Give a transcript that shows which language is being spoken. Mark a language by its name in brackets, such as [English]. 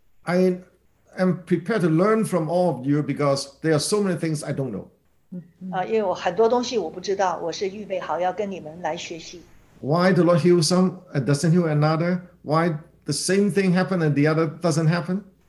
[English] I am prepared to learn from all of you because there are so many things I don't know. [Chinese] 因为我很多东西我不知道，我是预备好要跟你们来学习。 [English] Why the Lord heals some and doesn't heal another? Why the same thing happened and the other doesn't happen?